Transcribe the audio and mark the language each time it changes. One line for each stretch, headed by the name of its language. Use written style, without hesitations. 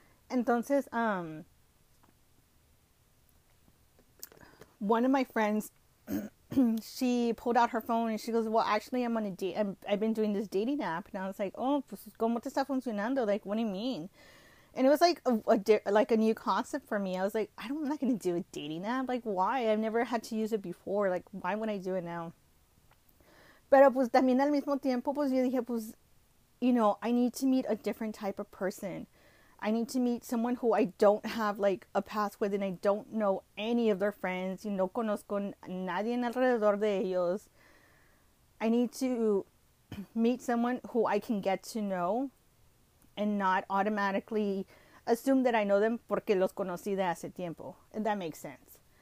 English: Entonces, one of my friends, she pulled out her phone and she goes, "Well, actually, I'm on a date. I've been doing this dating app." And I was like, "Oh,
Spanish: pues, ¿cómo te está funcionando?
English: Like, what do you mean?" And it was like a new concept for me. I was like, "I'm not gonna do a dating app. Like, why? I've never had to use it before. Like, why would I do it now?"
Spanish: Pero pues también al mismo tiempo, pues yo dije, pues,
English: I need to meet a different type of person. I need to meet someone who I don't have like a past with, and I don't know any of their friends.
Spanish: No conozco nadie en alrededor de ellos.
English: I need to meet someone who I can get to know, and not automatically assume that I know them
Spanish: porque los conocí de hace tiempo.
English: If that makes sense.